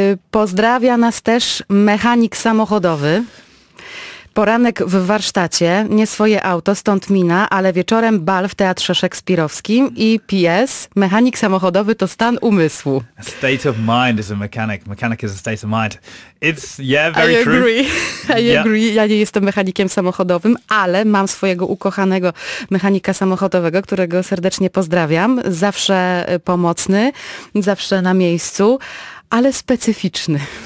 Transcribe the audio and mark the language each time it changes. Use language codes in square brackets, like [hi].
[pl] Pozdrawia nas też mechanik samochodowy. Poranek w warsztacie, nie swoje auto, stąd mina, ale wieczorem bal w Teatrze Szekspirowskim i PS, mechanik samochodowy to stan umysłu. [en] A state of mind is a mechanic. Mechanic is a state of mind. It's, yeah, very true. I agree. [pl] Ja nie jestem mechanikiem samochodowym, ale mam swojego ukochanego mechanika samochodowego, którego serdecznie pozdrawiam. Zawsze pomocny, zawsze na miejscu, ale specyficzny.